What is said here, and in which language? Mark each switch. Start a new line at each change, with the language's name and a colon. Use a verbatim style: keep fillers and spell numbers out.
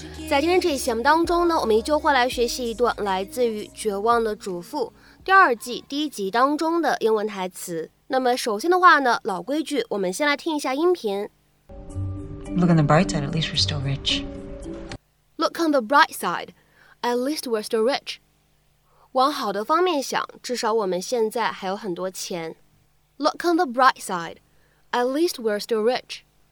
Chinese: 在今天这一节目当中呢，我们依旧会来学习一段来自于《绝望的主妇》第二季第一集当中的英文台词。那么首先的话呢，老规矩，我们先来听一下音频。
English: Look on the bright side, at least we're still rich. Look on the bright side, at least we're still rich.
Chinese: 往好的方面想，至少我们现在还有很多钱。
English: Look on the bright side, at least we're still rich.